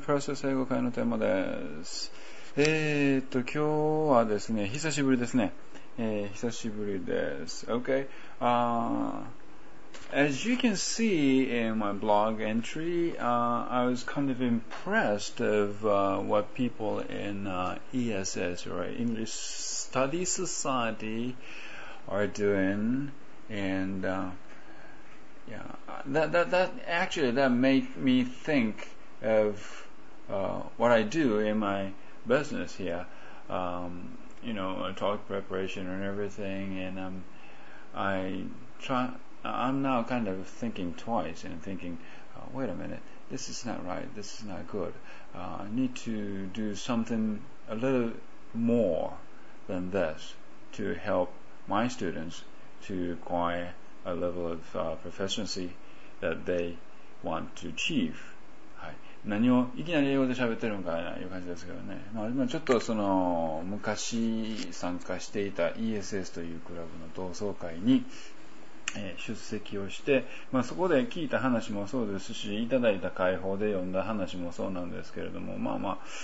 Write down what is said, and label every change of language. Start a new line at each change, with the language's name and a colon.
Japanese: プロセス英語会のテーマです。今日はですね、久しぶりですね、久しぶりです。
English: OK、As you can see in my blog entry、I was kind of impressed of、what people in、ESS or English Study Society are doing. AndYeah, that made me think of、what I do in my business here.、you know, talk preparation and everything, and、I'm now kind of thinking twice and thinking,、wait a minute, this is not right, this is not good.、I need to do something a little more than this to help my students to acquire. A level of、proficiency that they want to achieve、
Japanese: はい、何をいきなり英語で喋ってるのかという感じですけどね、まあ、今ちょっとその昔参加していた ESS というクラブの同窓会に、出席をして、まあ、そこで聞いた話もそうですし、いただいた解放で読んだ話もそうなんですけれども、まあまあ、